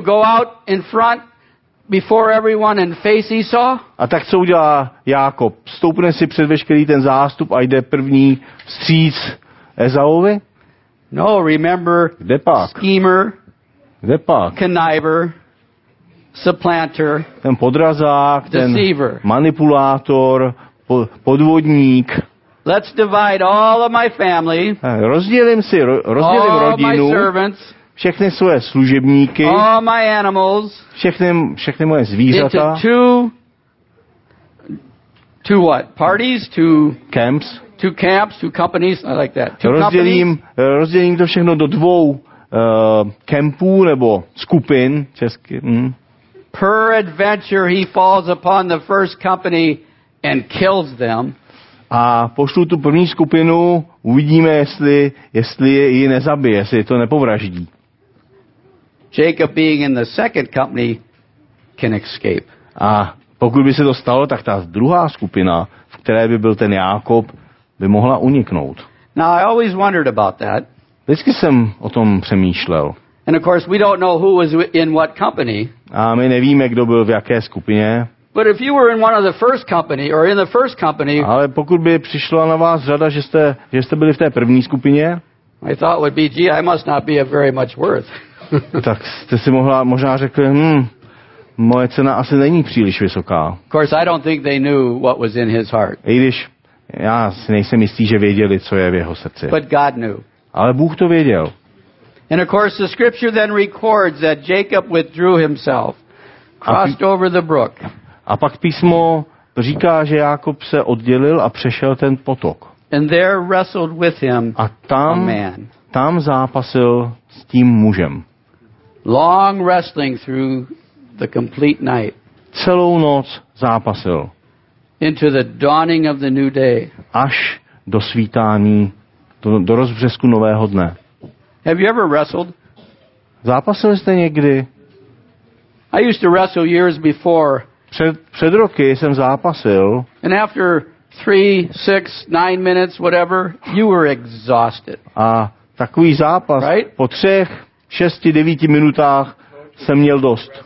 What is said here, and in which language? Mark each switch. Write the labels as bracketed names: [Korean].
[English] Go out in front before everyone and face Esau? [Czech] A tak co udělá Jákob? Stoupne si před veškerý ten zástup a jde první vstříc Ezauovi? [English] No, remember, schemer, conniver, supplanter, [Czech] ten podrazák, [English] deceiver, [Czech] ten manipulátor, podvodník. [English] Let's divide all of my family. [Czech] Rozdělím rodinu. [English] All my servants. [Czech] všechny svoje služebníky, [English] all my animals, [Czech] všechny moje zvířata, [English] to what? Parties? To camps? To camps? To companies? I like that. [Czech] Rozdělím to všechno do dvou kempů nebo skupin česky. [English] Per adventure he falls upon the first company and kills them. [Czech] A pošlu tu první skupinu, uvidíme, jestli je ji nezabije, jestli to nepovraždí. [English] Jacob being in the second company can escape. [Czech] A pokud by se to stalo, tak ta druhá skupina, v které by byl ten Jákob, by mohla uniknout. [English] Now I always wondered about that. [Czech] Vždycky jsem o tom přemýšlel. [English] And of course we don't know who was in what company. [Czech] A my nevíme, kdo byl v jaké skupině. [English] But if you were in one of the first company or in the first company, [Czech] ale pokud by přišla na vás řada, že jste byli v té první skupině, [English] I thought would be, gee, I must not be of very much worth. [Czech] Tak jste si mohla možná řekli, moje cena asi není příliš vysoká. [English] Of course, I don't think they knew what was in his heart. [Czech] I když já si nejsem jistý, že věděli, co je v jeho srdci. [English] But God knew. [Czech] Ale Bůh to věděl. [English] And of course, the scripture then records that Jacob withdrew himself, crossed over the brook. [Czech] A pak písmo říká, že Jákob se oddělil a přešel ten potok. [English] And there wrestled with him [Czech] a tam zápasil s tím mužem. [English] Long wrestling through the complete night. [Czech] Celou noc zápasil. [English] Into the dawning of the new day. [Czech] Až do svítání, do rozbřesku nového dne. [English] Have you ever wrestled? [Czech] Zápasil jste někdy? [English] I used to wrestle years before. [Czech] Před roky jsem zápasil. [English] And after 3, 6, 9 minutes, whatever, you were exhausted. [Czech] A takový zápas, right? Po 3, 6, 9 minutách jsem měl dost.